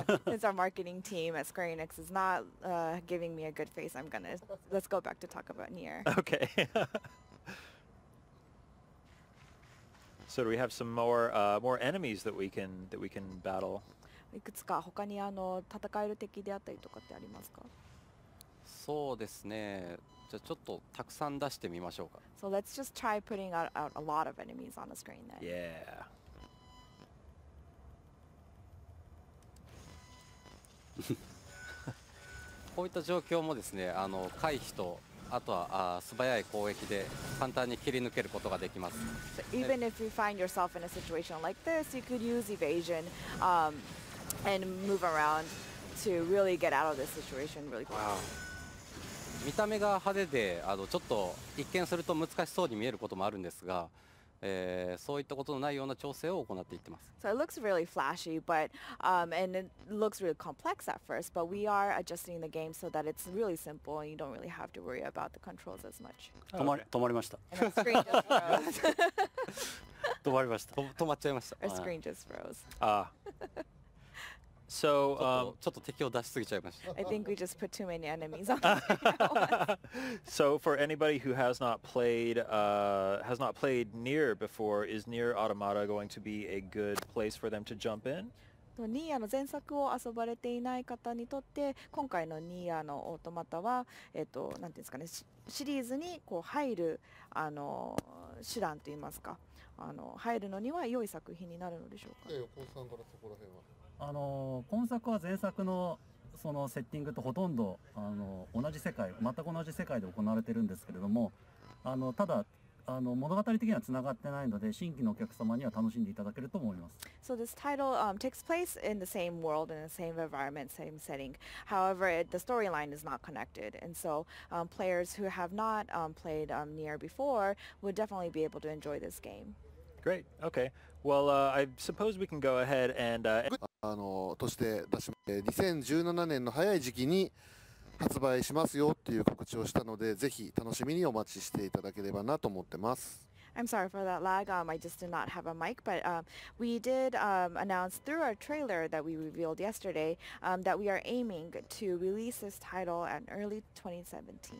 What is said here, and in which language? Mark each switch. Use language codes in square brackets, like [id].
[en] Since our marketing team at Square Enix is not giving me a good face, I'm gonna let's go back to talk about Nier. Okay. So do we have some more more enemies that we can battle? [ja] いくつか他にあの戦える敵であったりとかってありますか？そうですね。じゃあちょっとたくさん出してみましょうか。 [en] So let's just try putting out a lot of enemies on the screen then. Yeah. [ja] こういった状況もですね、あの回避とあとはあ素早い攻撃で簡単に切り抜けることができます。 [en] So even if you find yourself in a situation like this, you could use evasion, and move around to really get out of this situation really quickly. Wow. [ja] 見た目が派手で、あのちょっと一見すると難しそうに見えることもあるんですが、そういったことのないような調整を行っていってます。 [en] So it looks really flashy, but and it looks really complex at first, but we are adjusting the game so that it's really simple and you don't really have to worry about the controls as much. [ja] 止まりました。止まりました。止まっちゃいました。 [en] Our screen just froze. Ah. So, I think we just put too many enemies on. So, for anybody who has not played Nier before, is Nier Automata going to be a good place for them to jump in? [ja] Nier の前作を遊ばれていない方にとって、今回の Nier のオートマタは、なんていうんですかね、シリーズにこう入るあの手段といいますか、あの入るのには良い作品になるのでしょうか。横尾さんからそこら辺は。今作は前作 の, そのセッティングとほとんど同じ世界、全く同じ世界で行われているんですけれども、ただ物語的にはつながってないので、新規のお客様には楽しんでいただけると思います。 [en] So this title takes place in the same world, in the same environment, same setting. However, the storyline is not connected. And so players who have not played Nier before would definitely be able to enjoy this game. Great, okay. Well, I suppose we can go ahead and... [ja] として出し2017年の早い時期に発売しますよっていう告知をしたので、ぜひ楽しみにお待ちしていただければなと思ってます。 [en] I'm sorry for that lag, I just did not have a mic, but we did announce through our trailer that we revealed yesterday that we are aiming to release this title in early 2017.